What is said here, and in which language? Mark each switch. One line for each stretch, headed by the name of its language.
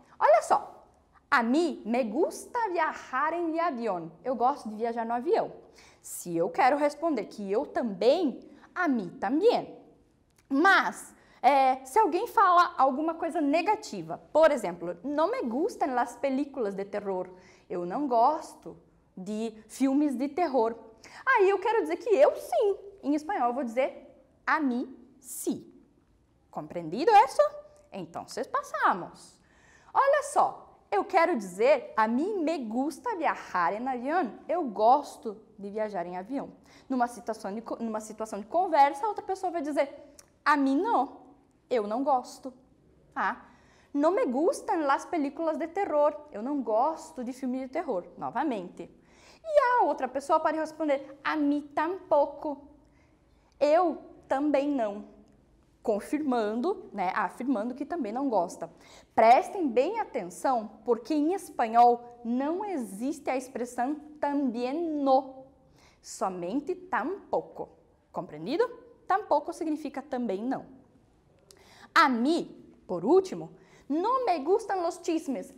Portuguese: Olha só,
Spanish: a mí me gusta viajar en avión.
Portuguese: Eu gosto de viajar no avião. Se eu quero responder que eu também,
Spanish: a mí también.
Portuguese: Mas, se alguém fala alguma coisa negativa, por exemplo,
Spanish: no me gustan las películas de terror,
Portuguese: eu não gosto de filmes de terror. Aí eu quero dizer que eu sim. Em espanhol eu vou dizer
Spanish: a mí sí.
Portuguese: Compreendido isso? Então, vocês passamos. Olha só, eu quero dizer
Spanish: a mí me gusta viajar en avión.
Portuguese: Eu gosto de viajar em avião. Numa situação de conversa, a outra pessoa vai dizer
Spanish: a mí no.
Portuguese: Eu não gosto. Tá?
Spanish: Não me gustan las películas de terror.
Portuguese: Eu não gosto de filme de terror. Novamente. E a outra pessoa pode responder,
Spanish: a mí tampoco.
Portuguese: Eu também não. Confirmando, né? Afirmando que também não gosta. Prestem bem atenção, porque em espanhol não existe a expressão también no. Somente tampoco. Compreendido? Tampoco significa também não.
Spanish: A mí, por último, no me gustan los chismes.